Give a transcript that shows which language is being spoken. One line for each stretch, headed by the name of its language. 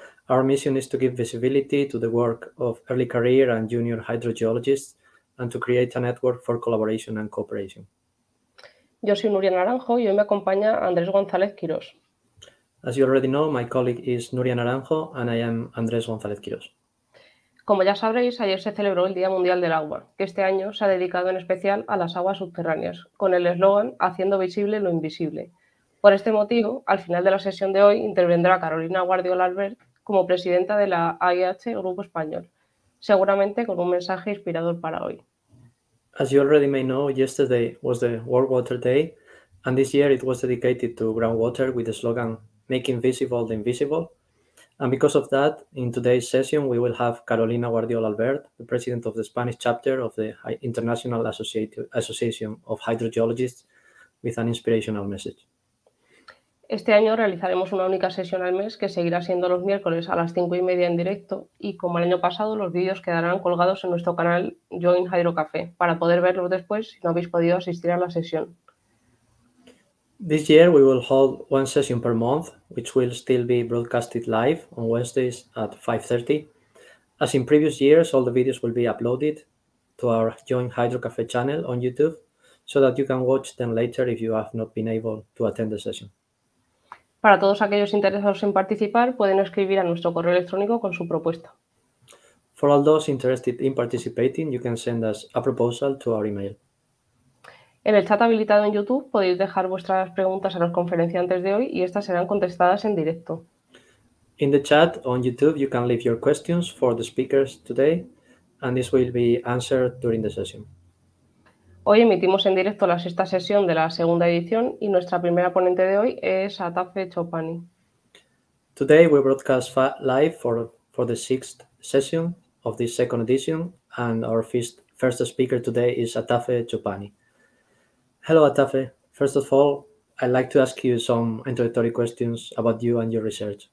English: Our mission is to give visibility to the work of early career and junior hydrogeologists and to create a network for collaboration and cooperation.
Spanish: Yo soy Nuria Naranjo y hoy me acompaña Andrés González Quirós.
English: As you already know, my colleague is Nuria Naranjo and I am Andrés González Quirós.
Spanish: Como ya sabréis, ayer se celebró el Día Mundial del Agua, que este año se ha dedicado en especial a las aguas subterráneas, con el eslogan Haciendo visible lo invisible. Por este motivo, al final de la sesión de hoy intervendrá Carolina Guardiola Albert como presidenta de la AIH Grupo Español, seguramente con un mensaje inspirador para hoy.
English: As you already may know, yesterday was the World Water Day, and this year it was dedicated to groundwater with the slogan Making Visible the Invisible. And because of that, in today's session, we will have Carolina Guardiola Albert, the president of the Spanish chapter of the International Association of Hydrogeologists, with an inspirational message.
Spanish: Este año realizaremos una única sesión al mes que seguirá siendo los miércoles a las 5:30 en directo y como el año pasado, los vídeos quedarán colgados en nuestro canal Join Hydrocafe para poder verlos después si no habéis podido asistir a la sesión.
English: This year we will hold one session per month, which will still be broadcasted live on Wednesdays at 5:30. As in previous years, all the videos will be uploaded to our Join Hydrocafe channel on YouTube so that you can watch them later if you have not been able to attend the session.
Spanish: Para todos aquellos interesados en participar, pueden escribir a nuestro correo electrónico con su propuesta.
English: For all those interested in participating, you can send us a proposal to our email.
Spanish: En el chat habilitado en YouTube podéis dejar vuestras preguntas a los conferenciantes de hoy y estas serán contestadas en directo.
English: In the chat on YouTube you can leave your questions for the speakers today and this will be answered during the session.
Spanish: Hoy emitimos en directo la sexta sesión de la segunda edición y nuestra primera ponente de hoy es Atafe Choopani.
English: Today we broadcast live for the sixth session of this second edition and our first speaker today is Atafe Choopani. Hello, Atafe. First of all, I'd like to ask you some introductory questions about you and your research.